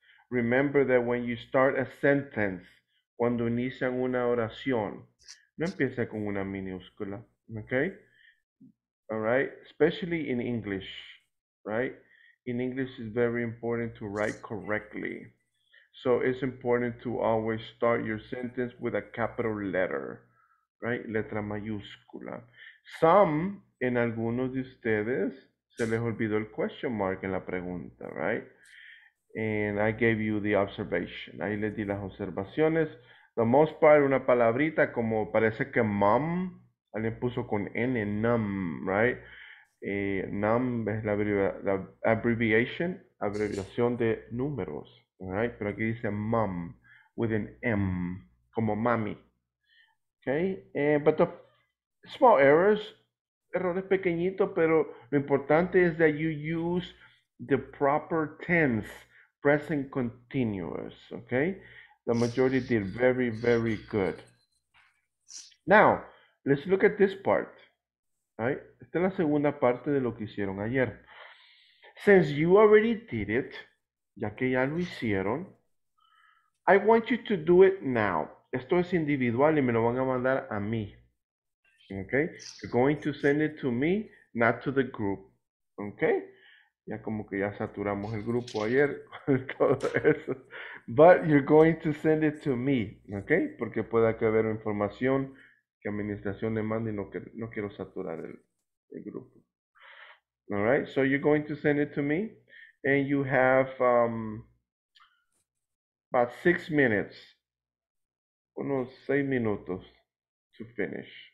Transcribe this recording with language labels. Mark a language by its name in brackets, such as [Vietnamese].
[English] Remember that when you start a sentence, [Spanish] cuando inician una oración, no empieza con una minúscula, okay? [English] All right, especially in English, right? In English, it's very important to write correctly. So it's important to always start your sentence with a capital letter, right? [Spanish] Letra mayúscula. Some, en algunos de ustedes, se les olvidó el question mark en la pregunta, right? [English] And I gave you the observation. [Spanish] Ahí les di las observaciones. [English] The most part, [Spanish] una palabrita como parece que mom, alguien puso con N, num, right? Num es la abbreviation, abreviación de números. Alright, pero aquí dice mom [English] with an M, [Spanish] como mami. [English] Okay, but the small errors, [Spanish] errores pequeñitos, pero lo importante [English] is that you use the proper tense, present continuous. Okay, the majority did very, very good. Now, let's look at this part. [Spanish] Alright, esta es la segunda parte de lo que hicieron ayer. [English] Since you already did it, [Spanish] ya que ya lo hicieron, [English] I want you to do it now. [Spanish] Esto es individual y me lo van a mandar a mí. [English] Okay? You're going to send it to me, not to the group. Okay? [Spanish] Ya como que ya saturamos el grupo ayer con todo eso. [English] But you're going to send it to me. Okay? [Spanish] Porque pueda que haber información que administración le mande y no quiero saturar el grupo. [English] Alright? So you're going to send it to me. And you have about 6 minutes, [Spanish] unos 6 minutos [English] to finish.